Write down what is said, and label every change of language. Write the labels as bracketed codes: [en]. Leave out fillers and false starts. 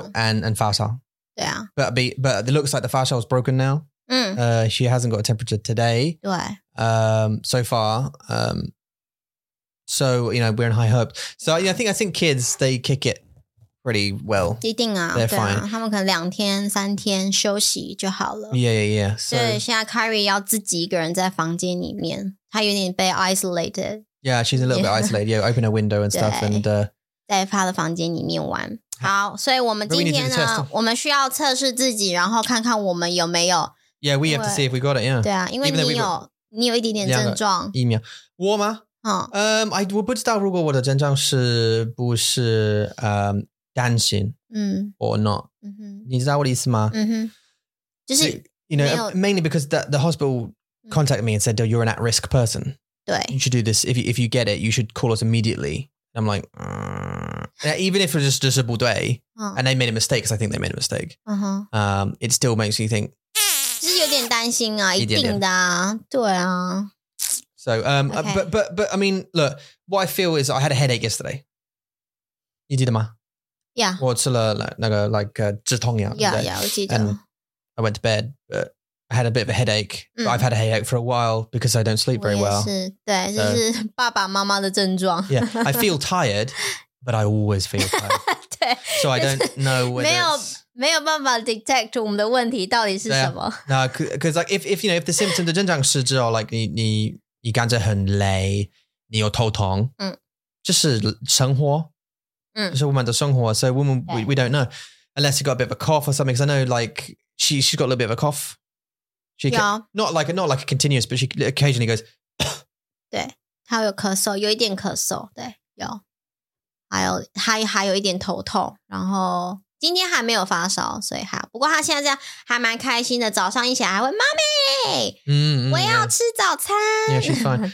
[en] So, and 发烧。 [zh] 对啊。 [en] But it looks like the 发烧 is broken now. She hasn't got a temperature today. [zh] 对。 [en] So far. So, you know, we're in high hope. So, you know, I think kids, they kick it pretty well. [zh] 一定啊。 [en] They're fine. [zh] 他们可能两天、三天休息就好了。 [en] Yeah, yeah, yeah. So, [zh] 现在 Kyrie 要自己一个人在房间里面，他有点被 isolated。 [en] Yeah, she's a little bit isolated. Yeah, open a window and stuff. And, [zh] 在她的房间里面玩。好，所以我们今天呢，我们需要测试自己，然后看看我们有没有。 [en] Yeah, we have to see if we got it, yeah. [zh] 对啊，因为你有一点点症状。疫苗。我吗？我不知道如果我的症状是不是担心 or not. 你知道我的意思吗？就是 [en] You know, mainly because the hospital contacted me and said, you're an at-risk person. You should do this. If you get it, you should call us immediately. And I'm like, even if it's just a bad day, and they made a mistake, because I think they made a mistake, it still makes me think. [zh] 就是有点担心啊，一定的啊，对啊。 [en] So, but I mean, look, what I feel is I had a headache yesterday. [zh] 你记得吗 [en] ？Yeah. [zh] 我吃了那个 like 止痛药。 Yeah, yeah, 我记得。 [en] And I went to bed, but. I had a bit of a headache, but I've had a headache for a while because I don't sleep very well. [zh] 对，就是爸爸妈妈的症状。 [en] Yeah, I feel tired, but I always feel tired. [zh] 对。 [en] So I don't know whether [zh] 没有办法 detect 我们的问题到底是什么。 No, because like if you know, if the symptom, the 症状是只有 like 你感觉很累，你有头痛，就是生活，就是我们的生活。 [en] So we don't know, unless you got a bit of a cough or something, because I know like she's got a little bit of a cough. She can, yeah. Not like a continuous, but she occasionally goes. [zh] 对，她有咳嗽，有一点咳嗽。对，有，还有一点头痛。然后今天还没有发烧，所以还不过她现在还蛮开心的。早上一起来还会妈咪，我要吃早餐。 [en] Yeah, she's fine.